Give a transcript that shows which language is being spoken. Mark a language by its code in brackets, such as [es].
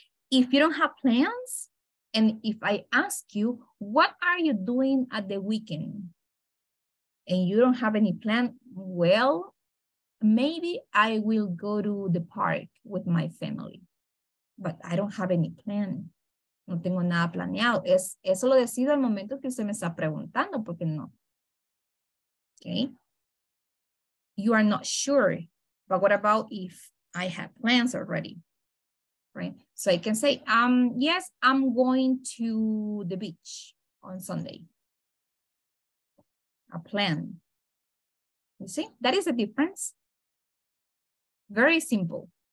[en] If you don't have plans, and if I ask you, what are you doing at the weekend? And you don't have any plan, well, maybe I will go to the park with my family. But I don't have any plan. [es] No tengo nada planeado. Eso lo decido al momento que usted me está preguntando, porque no. [en] Okay. You are not sure. But what about if I have plans already? Right? So I can say, yes, I'm going to the beach on Sunday. A plan. You see? That is the difference. Very simple.